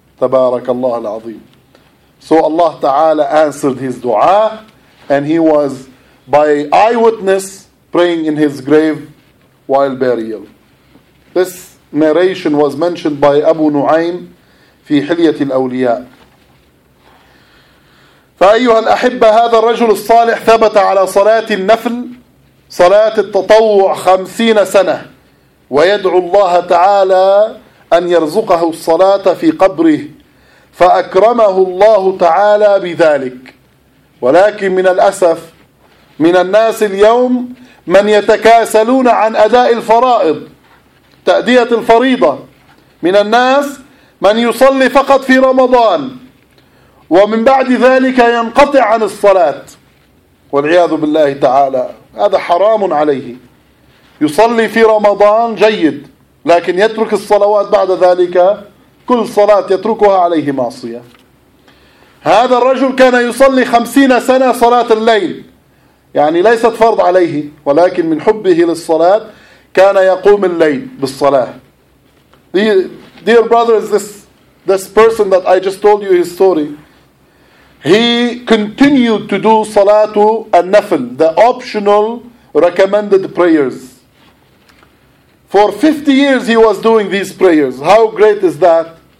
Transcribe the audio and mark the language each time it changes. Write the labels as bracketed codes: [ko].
[en] Tabarakallah al-Azim. So Allah Ta'ala answered his dua, and he was by eyewitness praying in his grave while burial. This narration was mentioned by Abu Nu'aym [ar] في حلية الأولياء. فأيها الأحبة هذا الرجل الصالح ثبت على صلاة النفل صلاة التطوع 50 سنة ويدعو الله تعالى أن يرزقه الصلاة في قبره فأكرمه الله تعالى بذلك. ولكن من الأسف من الناس اليوم من يتكاسلون عن أداء الفرائض تأدية الفريضة. من الناس من يصلي فقط في رمضان ومن بعد ذلك ينقطع عن الصلاة والعياذ بالله تعالى. هذا حرام عليه. يصلي في رمضان جيد، لكن يترك الصلوات بعد ذلك، كل صلاة يتركها عليه معصية. هذا الرجل كان يصلي 50 سنة صلاة الليل، يعني ليست فرض عليه، ولكن من حبه للصلاة كان يقوم الليل بالصلاة. [en] Dear brothers, this person that I just told you his story, he continued to do salatu al-nafil, the optional recommended prayers. For 50 years he was doing these prayers. How great is that?